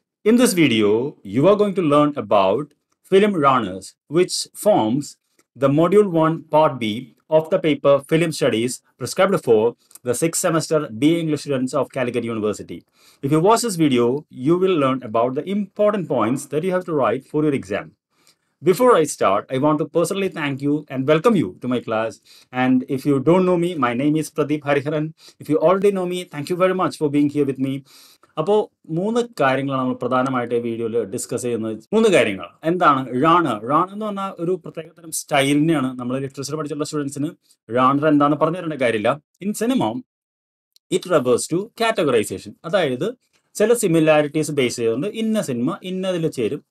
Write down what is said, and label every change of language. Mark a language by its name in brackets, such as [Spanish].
[English] In this video you are going to learn about film genres which forms the module 1 part B of the paper film studies prescribed for the 6th semester BA English students of Calicut University. If you watch this video you will learn about the important points that you have to write for your exam. Before I start, I want to personally thank you and welcome you to my class. And if you don't know me, my name is Pradeep Hariharan. If you already know me, thank you very much for being here with me. [Malayalam] അപ്പോൾ മൂന്ന് കാര്യങ്ങളാണ് നമ്മൾ പ്രധാനമായിട്ട് ഈ വീഡിയോയിൽ discuss ചെയ്യുന്നത്. മൂന്ന് കാര്യങ്ങൾ എന്താണ്? റാണർ. റാണർ എന്ന് പറഞ്ഞാൽ ഒരു പ്രത്യേക തരം സ്റ്റൈലിനെയാണ്. നമ്മൾ ലിറ്ററേച്ചർ പഠിച്ചിട്ടുള്ള സ്റ്റുഡൻസിന് റാണർ എന്താണെന്ന് പറഞ്ഞു തരേണ്ട കാര്യമില്ല. In cinema it refers to categorisation, അതായത് ചില സിമിലാരിറ്റീസ് ബേസ് ചെയ്തുകൊണ്ട് ഇന്ന സിനിമ ഇന്നതിൽ ചേരും.